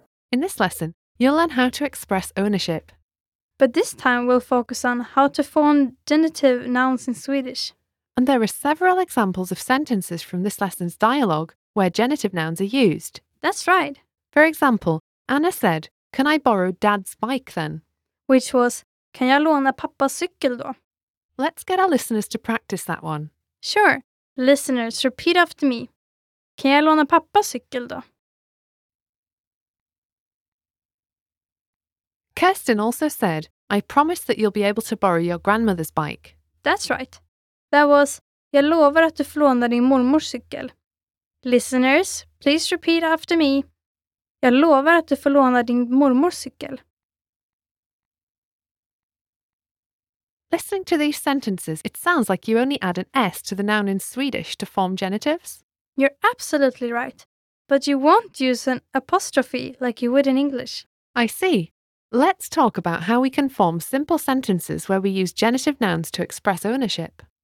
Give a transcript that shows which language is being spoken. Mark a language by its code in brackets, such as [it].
[en] In this lesson, you'll learn how to express ownership. But this time we'll focus on how to form genitive nouns in Swedish. And there are several examples of sentences from this lesson's dialogue where genitive nouns are used. That's right. For example, Anna said, "Can I borrow Dad's bike then?" Which was, [sv] "Kan jag låna pappas cykel då?" [en] Let's get our listeners to practice that one. Sure. Listeners, repeat after me. [sv] Kan jag låna pappas cykel då? [en] Kirsten also said, "I promise that you'll be able to borrow your grandmother's bike." That's right. That was, [sv] "Jag lovar att du får låna din mormors cykel." [en] Listeners, please repeat after me. [sv] Jag lovar att du får låna din mormors cykel. [en] Listening to these sentences, it sounds like you only add an S to the noun in Swedish to form genitives. You're absolutely right. But you won't use an apostrophe like you would in English. I see. Let's talk about how we can form simple sentences where we use genitive nouns to express ownership.